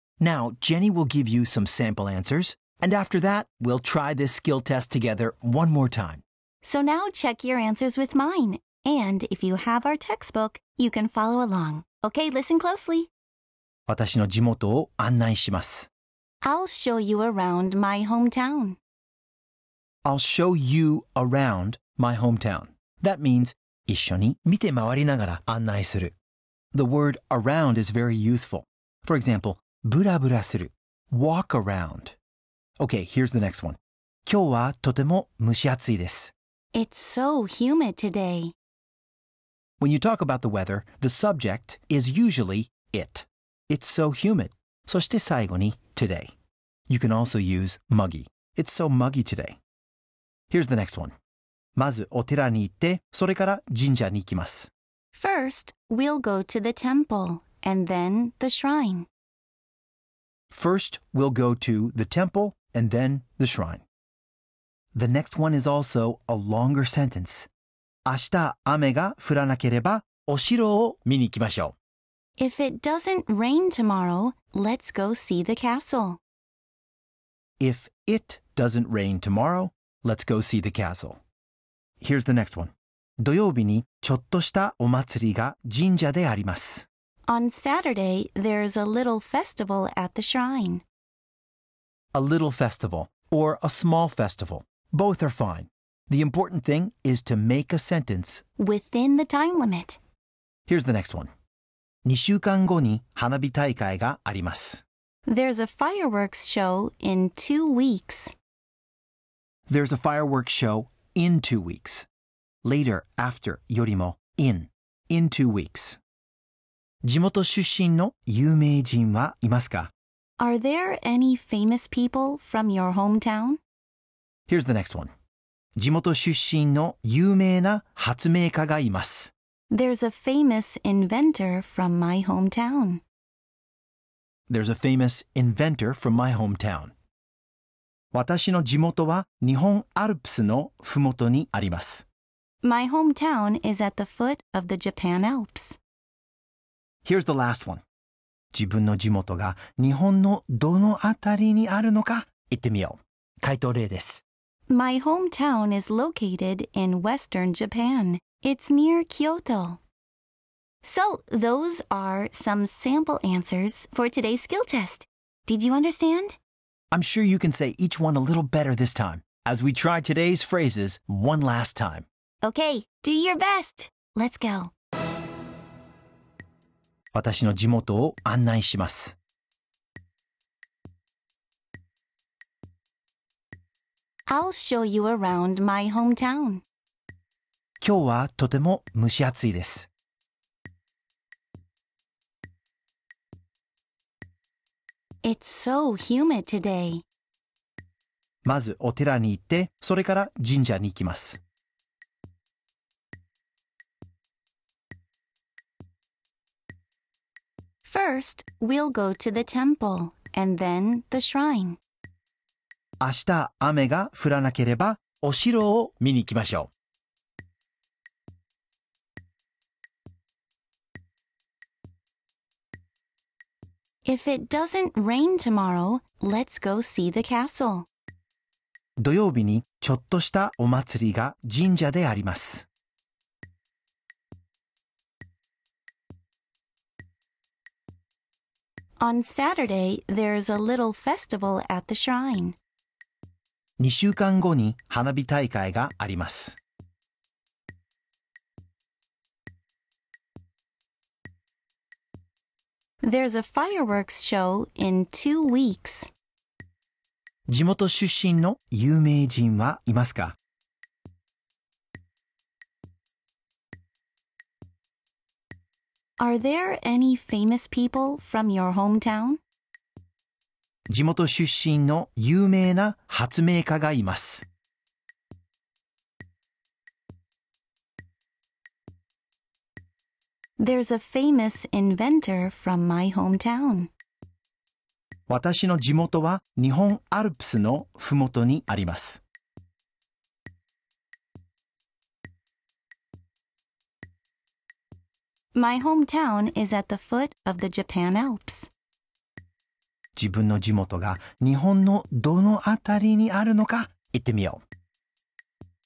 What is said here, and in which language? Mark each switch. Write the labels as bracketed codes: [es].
[en] Now, Jenny will give you some sample answers, and after that, we'll try this skill test together one more time. So now check your answers with mine. And if you have our textbook, you can follow along. Okay, listen closely. [ja] 私の地元を案内します。 [en] I'll show you around my hometown. I'll show you around my hometown. That means [ja] 一緒に見て回りながら案内する。 [en] The word around is very useful. For example, [ja] ブラブラする。 [en] Walk around. Okay, here's the next one. [ja] 今日はとても蒸し暑いです。 [en] It's so humid today. When you talk about the weather, the subject is usually it. It's so humid. [ja] そして最後に [en] today. You can also use muggy. It's so muggy today. Here's the next one. [ja] まずお寺に行って、それから神社に行きます。 [en] First, we'll go to the temple and then the shrine. First, we'll go to the temple and then the shrine. The next one is also a longer sentence. [ja] 明日雨が降らなければお城を見に行きましょう。 [en] If it doesn't rain tomorrow, let's go see the castle. If it doesn't rain tomorrow, let's go see the castle. Here's the next one. [ja] 土曜日にちょっとしたお祭りが神社であります。 [en] On Saturday, there's a little festival at the shrine. A little festival or a small festival. Both are fine. The important thing is to make a sentence within the time limit. Here's the next one. [ja] 2週間後に花火大会があります。 [en] There's a fireworks show in 2 weeks. There's a fireworks show in 2 weeks. Later, after, [ja] よりも [en] in. In 2 weeks. [ja] 地元出身の有名人はいますか? [en] Are there any famous people from your hometown? Here's the next one. [ja] 地元出身の有名な発明家がいます。 [en] There's a famous inventor from my hometown. There's a famous inventor from my hometown. [ja] 私の地元は日本アルプスのふもとにあります。 [en] My hometown is at the foot of the Japan Alps. Here's the last one. [ja] 自分の地元が日本のどのあたりにあるのか言ってみよう。回答例です。 [en] My hometown is located in western Japan. It's near Kyoto. So, those are some sample answers for today's skill test. Did you understand? I'm sure you can say each one a little better this time, as we try today's phrases one last time. Okay, do your best! Let's go! [ja] 私の地元を案内します。 [en] I'll show you around my hometown. [ja] 今日はとても蒸し暑いです。 [en] It's so humid today. [ja] まずお寺に行って、それから神社に行きます。 [en] First, we'll go to the temple and then the shrine. [ja] 明日雨が降らなければお城を見に行きましょう。 [en] If it doesn't rain tomorrow, let's go see the castle. [ja] 土曜日にちょっとしたお祭りが神社であります。 [en] On Saturday, there's a little festival at the shrine. [ja] 2週間後に花火大会があります。 [en] There's a fireworks show in 2 weeks. [ja] 地元出身の有名人はいますか? [en] Are there any famous people from your hometown? [ja] 地元出身の有名な発明家がいます。 [en] There's a famous inventor from my hometown. [ja] 私の地元は日本アルプスのふもとにあります。 [en] My hometown is at the foot of the Japan Alps. [ja] 自分の地元が日本のどのあたりにあるのか言ってみよう。